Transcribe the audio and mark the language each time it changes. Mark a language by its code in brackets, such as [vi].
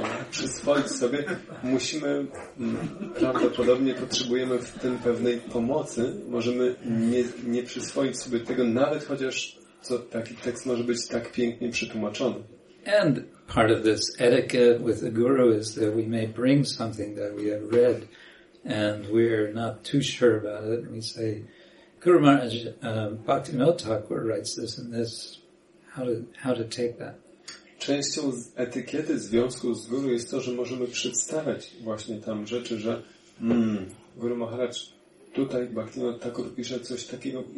[pl] przyswoić sobie, musimy prawdopodobnie potrzebujemy w tym pewnej pomocy. Możemy nie przyswoić sobie tego, nawet chociaż co taki tekst może być tak pięknie przetłumaczony. [en] And part of this etiquette with the guru is that we may bring something that we have read and we're not too sure about it. We say, Guru Maharaj, Bhaktivinoda Thakur writes this and this. How to take that? [pl] Częścią z etykiety związku z guru jest to, że możemy przedstawiać właśnie tam rzeczy, że Guru Maharaj, tutaj Bhaktivinoda Thakur pisze coś takiego.